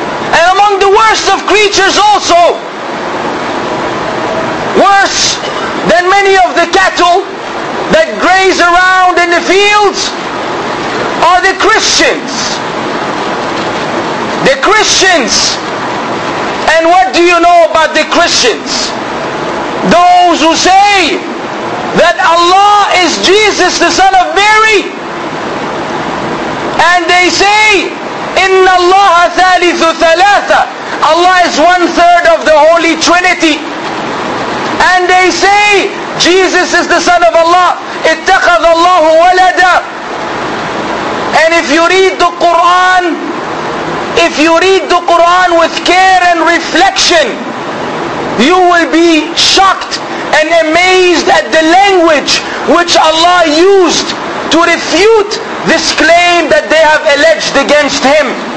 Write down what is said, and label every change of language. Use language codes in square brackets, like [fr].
[en] And among the worst of creatures also, worse than many of the cattle that graze around in the fields, are the Christians. The Christians. And what do you know about the Christians? Those who say that Allah is Jesus, the son of Mary. And they say, [ar] إِنَّ اللَّهَ ثَالِثُ ثَلَاثَ. [en] Allah is one third of the Holy Trinity. And they say, Jesus is the Son of Allah. [ar] اتخذ الله ولدا. [en] And if you read the Quran, if you read the Quran with care and reflection, you will be shocked and amazed at the language which Allah used to refute this claim that they have alleged against Him.